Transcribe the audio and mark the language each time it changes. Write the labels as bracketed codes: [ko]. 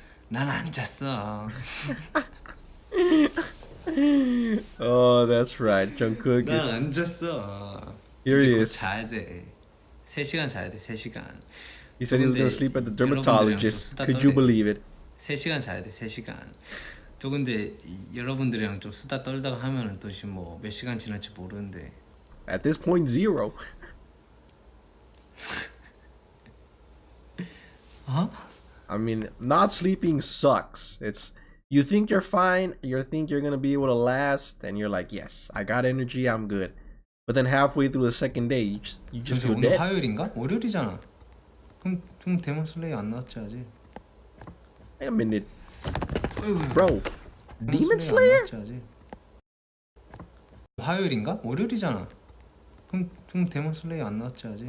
[ko] 난 안 잤어. [en] Oh, that's right. Jungkook is [ko] 난 안 잤어. [en] Here he is. [ko] 자야 돼. 3시간 자야 돼. 3시간. [en] He said he was going to sleep at the dermatologist. Could you believe it? [ko] 3시간 자야 돼. 3시간. 또 근데 여러분들이랑 좀 수다 떨다가 하면은 또 지금 뭐 몇 시간 지났지 모르는데. [en] At this point zero. 어? I mean, not sleeping sucks. It's you think you're fine, you think you're gonna be able to last, and you're like, yes, I got energy, I'm good. But then halfway through the second day, you just feel dead. [ko] 오늘 화요일인가? 월요일이잖아. 그럼 데몬 슬레이어 안 나왔지 아직? [en] Wait a minute, bro. Demon Slayer? [ko] 화요일인가? 월요일이잖아. 그럼 데몬 슬레이어 안 나왔지 아직?